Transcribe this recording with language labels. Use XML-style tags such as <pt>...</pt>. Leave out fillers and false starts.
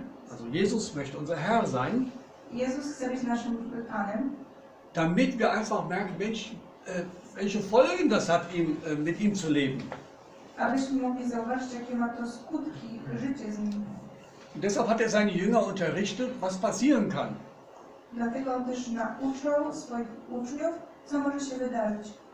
<de>Also Jesus möchte unser Herr sein.</de> <pl>Jesus chce być naszym Panem.</pl> <de>Damit wir einfach merken, Mensch, welche Folgen das hat, ihm, mit ihm zu leben.</de> <pl>Abyśmy mogli zauważyć, jakie ma to skutki życie z nim.</pl> <de>Und deshalb hat er seine Jünger unterrichtet, was passieren kann.</de> <pl>Dlatego on też nauczał swoich uczniów, co może się wydarzyć.</pl>